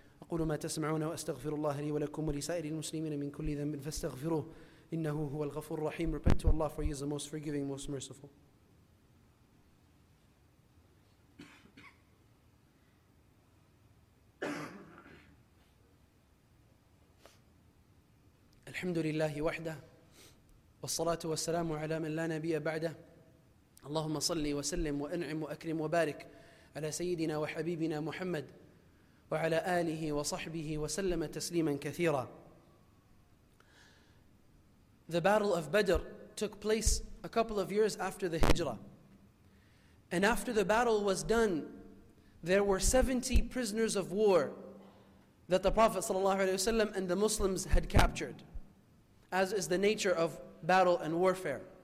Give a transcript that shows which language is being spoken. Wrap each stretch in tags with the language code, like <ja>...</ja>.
<ar>أقول ما تسمعون وأستغفر الله لي ولكم ولسائر المسلمين من كل ذنب فاستغفروه إنه هو الغفور الرحيم.</ar> <en>Repent to Allah, for He is the most forgiving, most merciful.</en> <ar>الحمد لله وحده والصلاة والسلام على من لا نبي بعده. اللهم صلي وسلم وأنعم وأكرم وبارك على سيدنا وحبيبنا محمد وعلى آله وصحبه وسلم تسليما كثيرا.</ar> <en>The battle of Badr took place a couple of years after the Hijrah. And after the battle was done, there were 70 prisoners of war that the Prophet ﷺ and the Muslims had captured, as is the nature of battle and warfare.</en>